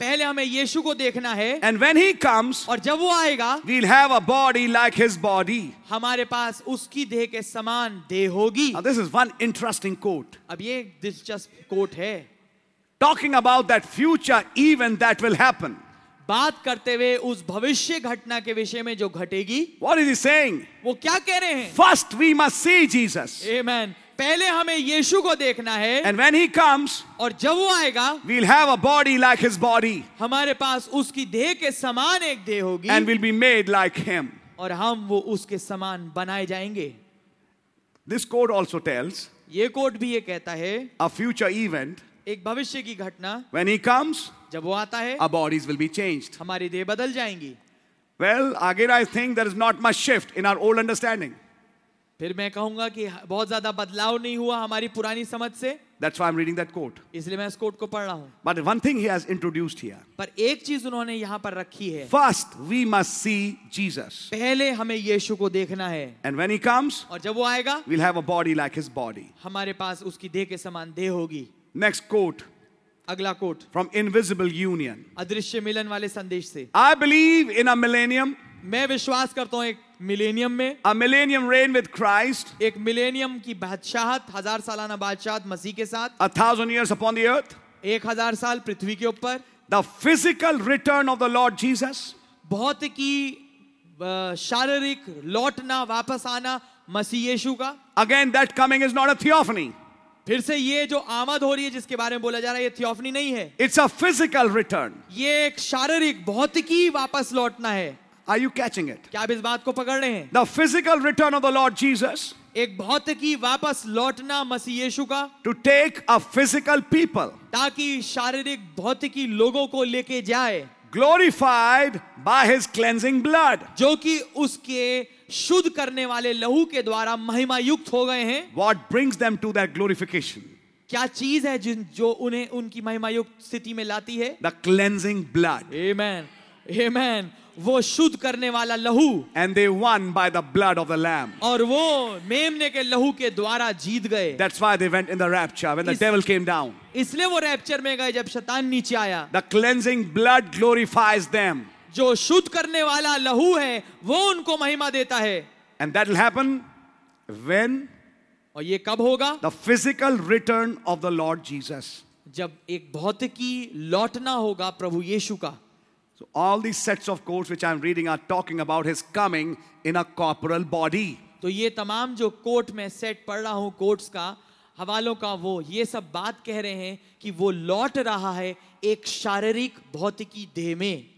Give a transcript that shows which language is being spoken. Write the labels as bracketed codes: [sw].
[hi] Pehle hume Yeshu ko dekhna hai. [en] And when he comes, [hi] aur jab wo aayega, [en] we'll have a body like his body. [hi] Hamare paas uski deh ke saman deh hogi. [en] Now this is one interesting quote. [hi] Ab ye dilchasp quote hai. [en] Talking about that future event that will happen. [hi] बात करते हुए उस भविष्य घटना के विषय में जो घटेगी. [en] What is he saying? [hi] वो क्या कह रहे हैं? [en] First we must see Jesus. Amen. [hi] पहले हमें यीशु को देखना है. [en] And when he comes, [hi] और जब वो आएगा, [en] we'll have a body like his body. [hi] हमारे पास उसकी देह के समान एक देह होगी. [en] And we'll be made like him. [hi] और हम वो उसके समान बनाए जाएंगे. [en] This quote also tells. [hi] ये quote भी ये कहता है. [en] A future event. [hi] एक भविष्य की घटना. [en] When he comes, [hi] जब वो आता है, [en] our bodies will be changed. [hi] हमारी देह बदल जाएंगी. [en] Well, again, I think there is not much shift in our old understanding. [hi] फिर मैं कहूंगा कि बहुत ज्यादा बदलाव नहीं हुआ हमारी पुरानी समझ से. [en] That's why I'm reading that quote. [hi] इसलिए मैं इस quote को पढ़ रहा हूं. [en] But one thing he has introduced here. [hi] पर एक चीज उन्होंने यहां पर रखी है. [en] First, we must see Jesus. [hi] पहले हमें यीशु को देखना है. [en] And when he comes, [hi] और जब वो आएगा, [en] we'll have a body like his body. [hi] हमारे पास उसकी देह के समान देह होगी. [en] Next quote. [hi] अगला quote. [en] From Invisible Union. [hi] अदृश्य मिलन वाले संदेश से. [en] I believe in a millennium. [hi] मैं विश्वास करता हूं एक मिलेनियम में. [en] A millennium reign with Christ. [hi] एक मिलेनियम की बादशाहत, हजार सालाना बादशाहत मसीह के साथ. [en] A thousand years upon the earth. [hi] एक हजार साल पृथ्वी के ऊपर. [en] The physical return of the Lord Jesus. [hi] भौतिकी शारीरिक लौटना वापस आना मसीह यीशु का. [en] Again, that coming is not a theophany. [hi] फिर से ये जो आमद हो रही है जिसके बारे में बोला जा रहा है ये थियोफनी नहीं है. [en] It's a physical return. [hi] ये एक शारीरिक भौतिकी वापस लौटना है. [en] Are you catching it? [hi] क्या आप इस बात को पकड़ रहे हैं? [en] The physical return of the Lord Jesus. [hi] एक भौतिकी वापस लौटना मसीह यीशु का. [en] To take a physical people. [hi] ताकि शारीरिक भौतिकी लोगों को लेके जाए. [en] Glorified by His cleansing blood. [hi] जो कि उसके शुद्ध करने वाले लहू के द्वारा महिमा युक्त हो गए हैं. [en] What brings them to that glorification? [hi] क्या चीज है जो उन्हें उनकी महिमा युक्त स्थिति में लाती है? [en] The cleansing blood. [hi] Amen. Amen. वो शुद्ध करने वाला लहू. [en] And they won by the blood of the lamb. [hi] और वो मेमने के लहू के द्वारा जीत गए. [en] That's why they went in the rapture when the devil came down. [hi] इसलिए वो रैप्चर में गए जब शैतान नीचे आया. [en] The cleansing blood glorifies them. [hi] जो शुद्ध करने वाला लहू है वो उनको महिमा देता है. [en] And that will happen when. [hi] और ये कब होगा? [en] The physical return of the Lord Jesus. [hi] जब एक भौतिकी लौटना होगा प्रभु यीशु का. [en] So all these sets of quotes which I'm reading are talking about his coming in a corporal body. [hi] तो ये तमाम जो कोट मैं सेट पढ़ रहा हूँ कोट्स का हवालों का वो ये सब बात कह रहे हैं कि वो लौट रहा है एक शारीरिक भौतिकी देह में.